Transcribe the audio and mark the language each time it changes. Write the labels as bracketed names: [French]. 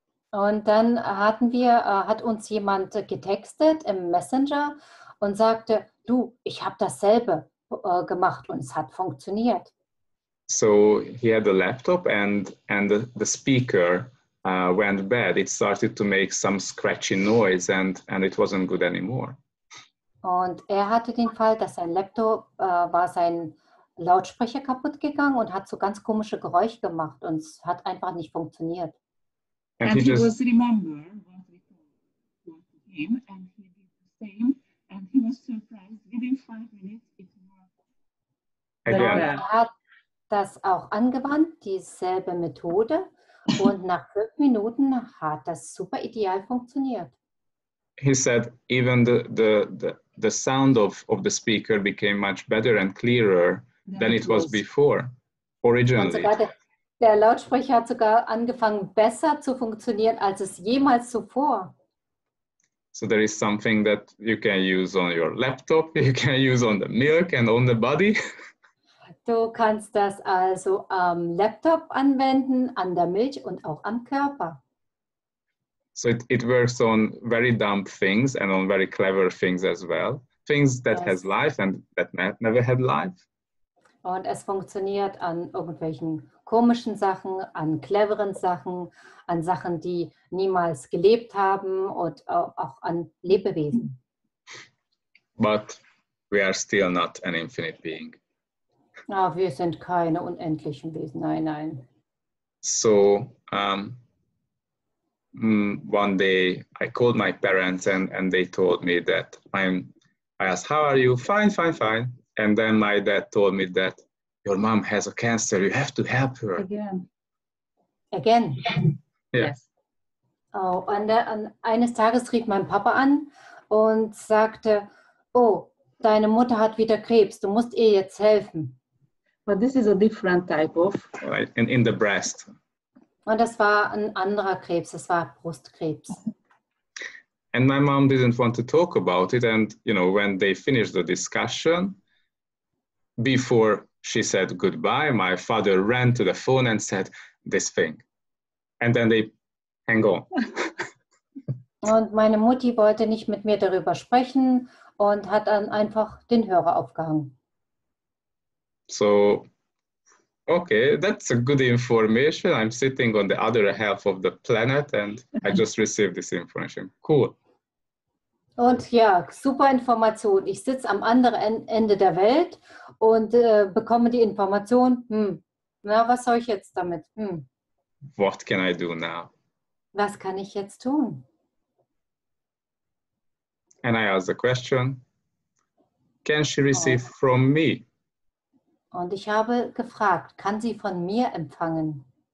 [German] Und dann hatten wir, hat uns jemand getextet im Messenger und sagte, du, ich habe dasselbe gemacht und es hat funktioniert. [English] So he had a laptop and the speaker went bad. It started to make some scratchy noise and it wasn't good anymore. [German] Und er hatte den Fall, dass sein Laptop war sein Lautsprecher kaputt gegangen und hat so ganz komische Geräusche gemacht und es hat einfach nicht funktioniert. [English] And he was surprised. Within 5 minutes, it worked. [German] Er hat das auch angewandt, dieselbe Methode, und nach 5 Minuten hat das super ideal funktioniert. [English] He said even the sound of the speaker became much better and clearer than it was before, originally. [German] Der Lautsprecher hat sogar angefangen, besser zu funktionieren als es jemals zuvor. [English] So there is something that you can use on your laptop, you can use on the milk and on the body. [German] Du kannst das also am Laptop anwenden, an der Milch und auch am Körper. [English] So it works on very dumb things and on very clever things as well. Things that has life and that never had life. [German] Und es funktioniert an irgendwelchen komischen Sachen, an cleveren Sachen, an Sachen, die niemals gelebt haben und auch an Lebewesen. [English] But we are still not an infinite being. [German] Oh, wir sind keine unendlichen Wesen, nein. [English] So, one day I called my parents and they told me that I asked, how are you? Fine. And then my dad told me that your mom has a cancer, you have to help her. Again. Yeah. Yes. [German] Oh, und eines Tages rief mein Papa an und sagte, oh, deine Mutter hat wieder Krebs, du musst ihr jetzt helfen. [English] But this is a different type of... Right. In the breast. [German] Und das war ein anderer Krebs, das war Brustkrebs. [English] And my mom didn't want to talk about it, and, you know, when they finished the discussion, before she said goodbye, my father ran to the phone and said this thing. And then they hang on. [German] Und meine Mutti wollte nicht mit mir darüber sprechen und hat dann einfach den Hörer aufgehangen. [English] So, okay, that's a good information. I'm sitting on the other half of the planet and I just received this information. Cool. [German] Und ja, super Information. Ich sitze am anderen Ende der Welt und bekomme die Information. Na, was soll ich jetzt damit? [English] What can I do now? [German] Was kann ich jetzt tun? [English] And I ask the question, can she receive from me? [German] Und ich habe gefragt, kann sie von mir empfangen?